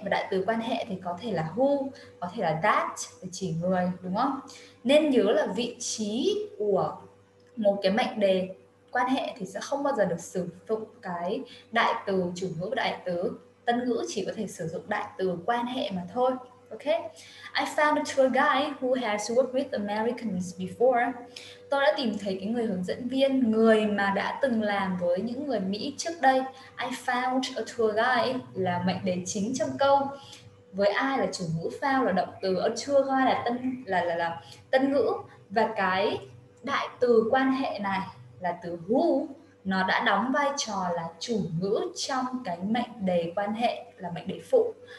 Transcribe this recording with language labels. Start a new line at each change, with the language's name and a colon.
Vietnamese: Và đại từ quan hệ thì có thể là who, có thể là that, chỉ người, đúng không? Nên nhớ là vị trí của một cái mệnh đề quan hệ thì sẽ không bao giờ được sử dụng cái đại từ chủ ngữ và đại từ tân ngữ, chỉ có thể sử dụng đại từ quan hệ mà thôi.
English: Ok, I found a tour guide who has worked with Americans before.
Vietnamese: Tôi đã tìm thấy cái người hướng dẫn viên, người mà đã từng làm với những người Mỹ trước đây.
English: I found a tour guide
Vietnamese: là mệnh đề chính trong câu. Với ai là chủ ngữ found, là động từ. A tour guide là tân ngữ. Và cái đại từ quan hệ này là từ who, nó đã đóng vai trò là chủ ngữ trong cái mệnh đề quan hệ, là mệnh đề phụ.